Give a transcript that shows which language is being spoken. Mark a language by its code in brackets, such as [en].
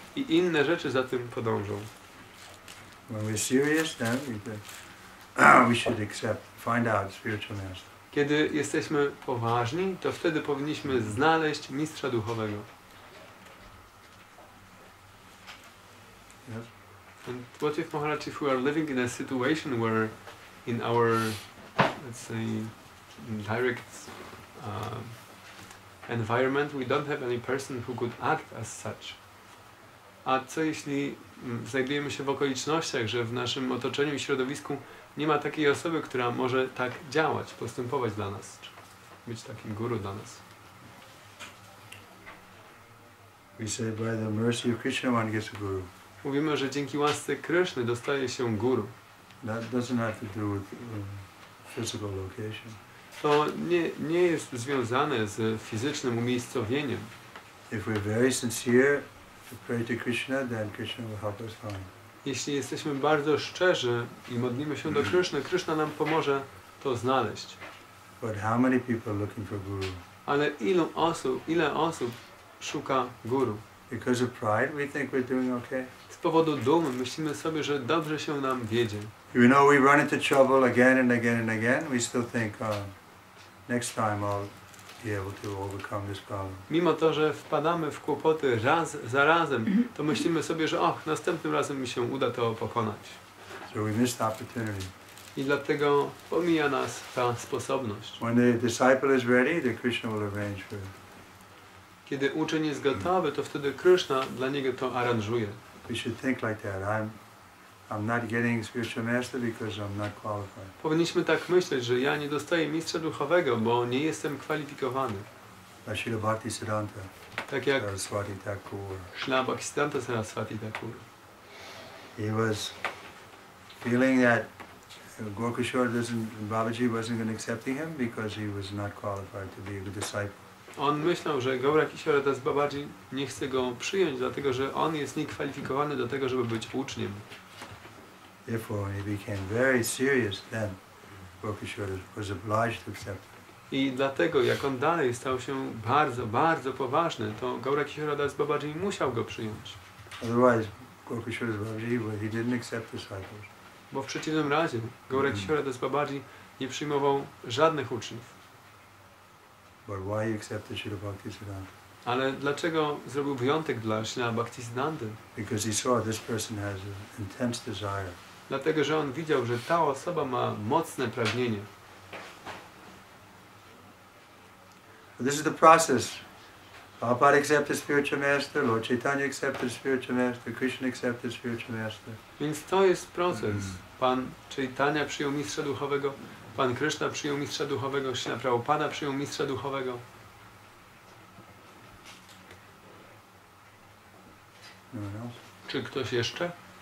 [pl] I inne rzeczy za tym podążą. [en] When we're serious, then we should accept, find out spiritual master. [pl] Kiedy jesteśmy poważni, to wtedy powinniśmy znaleźć mistrza duchowego. [en] Yes. And what if, Maharaj, if we are living in a situation where in our, let's say, direct environment, we don't have any person who could act as such. [pl] A co jeśli znajdujemy się w okolicznościach, że w naszym otoczeniu i środowisku nie ma takiej osoby, która może tak działać, postępować dla nas, czy być takim guru dla nas? [en] We say by the mercy of Krishna one gets a guru. [pl] Mówimy, że dzięki łasce Kryszny dostaje się guru. [en] That doesn't have to do with physical location. [pl] To nie jest związane z fizycznym umiejscowieniem. [en] If we're very sincere to pray to Krishna, then Krishna will help us find. [pl] Jeśli jesteśmy bardzo szczerzy i modlimy się do Kryszny, Kryszna nam pomoże to znaleźć. [en] But how many people looking for guru? [pl] Ale ile osób szuka guru? [en] Because of pride, we think we're doing okay. [pl] Z powodu dumy myślimy sobie, że dobrze się nam wiedzie. [en] You know, we run into trouble again and again and again. We still think, next time I'll be able to overcome this problem. [pl] Mimo to, że wpadamy w kłopoty raz za razem, to myślimy sobie, że następnym razem mi się uda to pokonać. [en] So we missed the opportunity. [pl] I dlatego pomija nas ta sposobność. [en] When the disciple is ready, the Krishna will arrange for it. [pl] Kiedy uczeń jest gotowy, to wtedy Krishna dla niego to aranżuje. [en] We should think like that. I'm not getting spiritual master because I'm not qualified. [pl] Powinniśmy tak myśleć, że ja nie dostaję mistrza duchowego, bo nie jestem kwalifikowany. [en] Śrila Bhakti Siddhanta. [pl] Tak jak Saraswati Thakur. Śrila Bhakti Siddhanta Saraswati Thakur. [en] He was feeling that Gaurakishore doesn't, Babaji wasn't going to accept him because he was not qualified to be a good disciple. [pl] On myślał, że Gaurakishore Das Babaji nie chce go przyjąć, dlatego że on jest niekwalifikowany do tego, żeby być uczniem. [en] Therefore, when he became very serious, then Gaurakishore was obliged to accept. [pl] I dlatego, jak on dalej stał się bardzo, bardzo poważny, to Gaurakishore Das Babaji musiał go przyjąć. [en] Otherwise, Gaurakishore Das Babaji, he didn't accept disciples. [pl] Bo w przeciwnym razie Gaurakishore Das Babaji nie przyjmował żadnych uczniów. [en] But why you accepted Śrīla Bhaktisiddhānta? [pl] Ale dlaczego zrobił wyjątek dla Śrīla Bhaktisiddhānty? [en] Because he saw this person has an intense desire. [pl] Dlatego, że on widział, że ta osoba ma mocne pragnienie. [en] this is the process. Prabhupada accepted spiritual master, Lord Chaitanya accepted spiritual master, Krishna accepted spiritual master. [pl] Więc to jest proces. Pan Chaitanya przyjął mistrza duchowego, Pan Krishna przyjął mistrza duchowego, Śrila Prabhupada przyjął mistrza duchowego. Czy ktoś jeszcze?